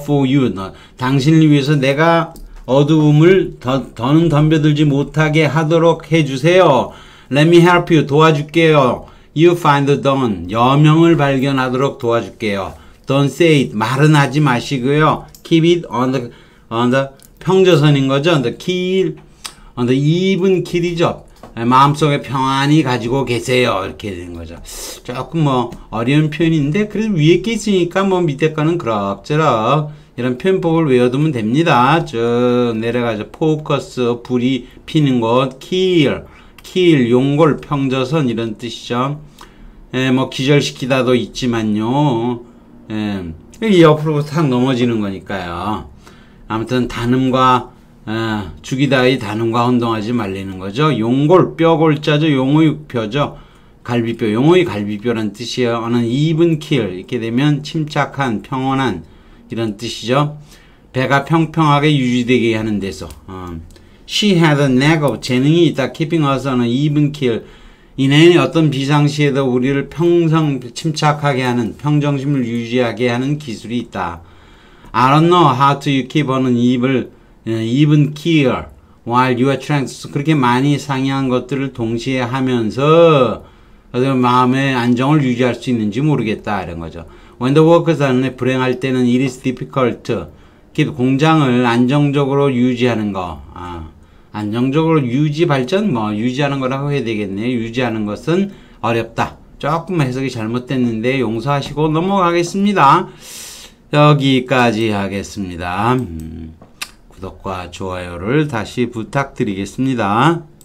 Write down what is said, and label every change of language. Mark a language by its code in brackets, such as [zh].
[ko] For you 너, 당신을 위해서 내가 어두움을 더는 덤벼들지 못하게 하도록 해주세요. [en] Let me help you 도와줄게요. You find the dawn 여명을 발견하도록 도와줄게요. [ko] Don't say it 말은 하지 마시고요. Keep it on the 평조선인 거죠. [en] On the keel on the even keel이죠. [ko] 마음속에 평안히 가지고 계세요. 이렇게 된 거죠. 조금 뭐 어려운 표현인데 그래도 위에 게 있으니까 뭐 밑에 거는 그럭저럭 이런 표현법을 외워두면 됩니다. 쭉 내려가죠. 포커스 불이 피는 곳, 킬, 킬 용골 평조선 이런 뜻이죠. 뭐 기절시키다도 있지만요. 옆으로 탁 넘어지는 거니까요. 아무튼 단음과 죽이다의 단음과 혼동하지 말라는 거죠. 용골, 뼈골자죠. 용의육뼈죠. 갈비뼈, 용의 갈비뼈란 뜻이에요. 어느 even keel 이렇게 되면 침착한, 평온한 이런 뜻이죠. 배가 평평하게 유지되게 하는 데서. [en] She had a knack of 재능이 있다. Keeping us on an even keel. [ko] 이내는 어떤 비상시에도 우리를 침착하게 하는, 평정심을 유지하게 하는 기술이 있다. [en] I don't know how to keep on an evil. [ko] Even keel, while you are trying to, 그렇게 많이 상의한 것들을 동시에 하면서, 마음의 안정을 유지할 수 있는지 모르겠다, 이런 거죠. [en] When the workers are 불행할 때는 it is difficult. [ko] 공장을 안정적으로 유지하는 거. 안정적으로 유지 발전? 뭐, 유지하는 거라고 해야 되겠네요. 유지하는 것은 어렵다. 조금 해석이 잘못됐는데 용서하시고 넘어가겠습니다. 여기까지 하겠습니다. 구독과 좋아요를 다시 부탁드리겠습니다.